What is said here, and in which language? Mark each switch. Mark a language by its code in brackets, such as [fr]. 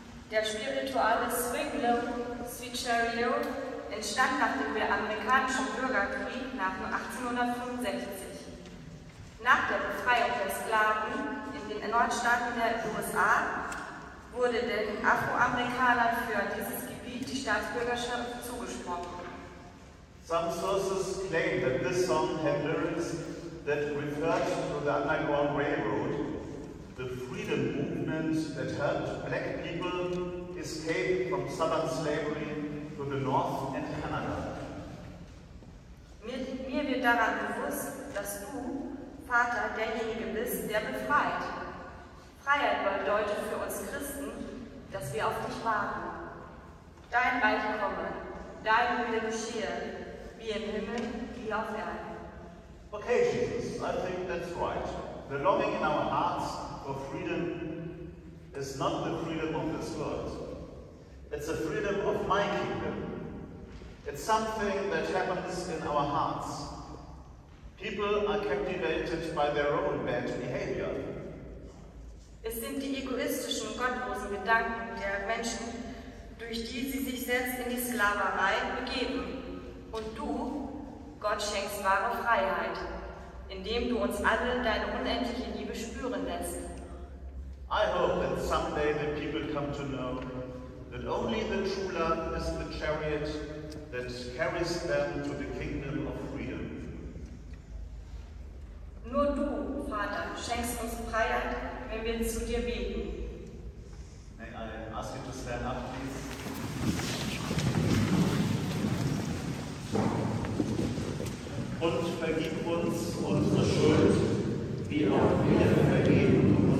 [de] Der spirituelle Swinglow, Sweet Chariot, entstand nach dem amerikanischen Bürgerkrieg nach 1865. Nach der Befreiung der Sklaven in den Nordstaaten der USA wurde den Afroamerikanern für dieses Gebiet die Staatsbürgerschaft zugesprochen. [en] Some sources claim that this song had lyrics that referred to the Underground Railroad, the freedom movement that helped black people escape from southern slavery to the North and Canada. [de] Mir wird daran bewusst, dass du, Vater, derjenige bist, der befreit. Freiheit bedeutet für uns Christen, dass wir auf dich warten. Dein Reich komme, dein Wille geschehe, wie im Himmel, wie auf Erden. [en] Okay, Jesus, I think that's right. The longing in our hearts for freedom is not the freedom of this world. It's the freedom of my kingdom. It's something that happens in our hearts. People are captivated by their own bad behavior. [de] Es sind die egoistischen, gottlosen Gedanken der Menschen, durch die sie sich selbst in die Sklaverei begeben. Und du, Gott, schenkst wahre Freiheit, indem du uns alle deine unendliche Liebe spüren lässt. [en] I hope that someday the people come to know that only the true love is the chariot that carries them to the kingdom of freedom. [de] Nur du, Vater, schenkst uns Freiheit, wenn wir zu dir beten. [en] May I ask you to stand up, please? [de] Und vergib uns unsere Schuld, wie auch wir vergeben.